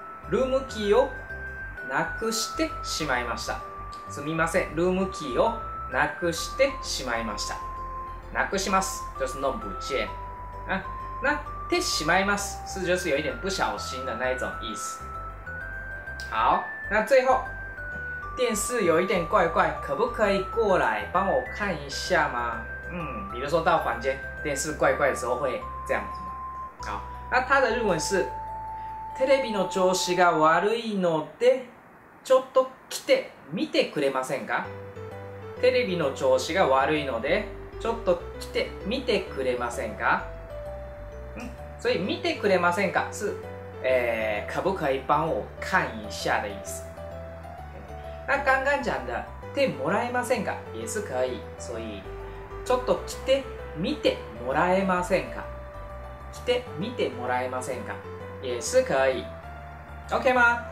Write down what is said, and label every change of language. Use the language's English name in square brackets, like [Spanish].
[Japanese] ルームキーをなくしてしまいました。すみません、ルームキーをなくしてしまいました。なくします、 [Chinese] 就是弄不见。那てしまいます、是就是有一点不小心的那一种意思。好，那最后。电视有一点怪怪，可不可以过来帮我看一下吗？比如说到房间，电视怪怪的时候会这样子。好，那它的日文是 [Japanese] テレビの調子が悪いのでちょっと来て見てくれませんか？テレビの調子が悪いのでちょっと来て見てくれませんか？ [Chinese] 所以 [Japanese] 見てくれませんか [Chinese] 是可不可以帮我看一下的意思。那刚刚讲的 [Japanese] てもらえませんか [Chinese] 也是可以，所以 [Japanese] ちょっと来て見てもらえませんか，来て見てもらえませんか [Chinese] 也是可以 ，OK 吗？